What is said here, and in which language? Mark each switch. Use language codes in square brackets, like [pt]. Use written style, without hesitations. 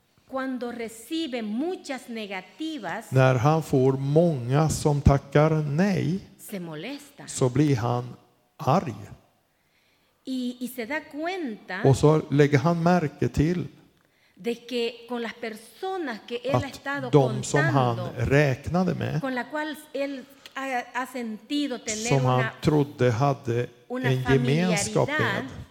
[es] Cuando recibe muchas negativas. [sv] När han får många som tackar nej. [es] Se molesta. [sv] Så blir han arg. [es] Y se da cuenta. [sv] Och så lägger han märke till. [es] De que con las personas que él [sv] att [es] ha estado de contando, [sv] som han räknade med [es] con la cual él ha sentido tener [sv] som han [es] una, [sv] trodde hade en gemenskap med